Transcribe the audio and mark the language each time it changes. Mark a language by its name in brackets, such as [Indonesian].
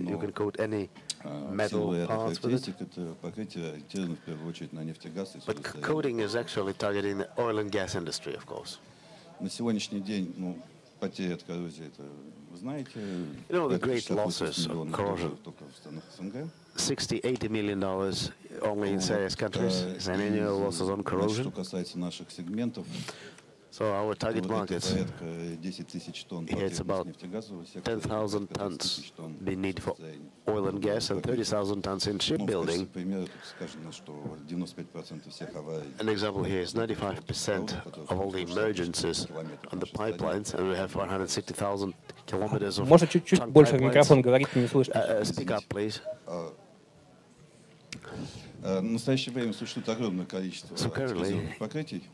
[English] You can coat any metal parts with it. But coating is actually targeting the oil and gas industry, of course. [Russian] На сегодняшний день, ну, потери от коррозии, это вы знаете, [English] you know, the great losses of corrosion. $60-80 million only in various countries, and annual losses on corrosion. [Russian] Что касается наших сегментов, [English] so our target markets, here it's about 10,000 tons we need for oil and gas and 30,000 tons in shipbuilding. An example here is 95% of all the emergencies on the pipelines, and we have 160,000 kilometers of [Russian] Можно чуть-чуть больше микрофон говорить, не слышно. [English] Speak up, please. [Russian] В настоящее время существует огромное количество антикоррозионных покрытий.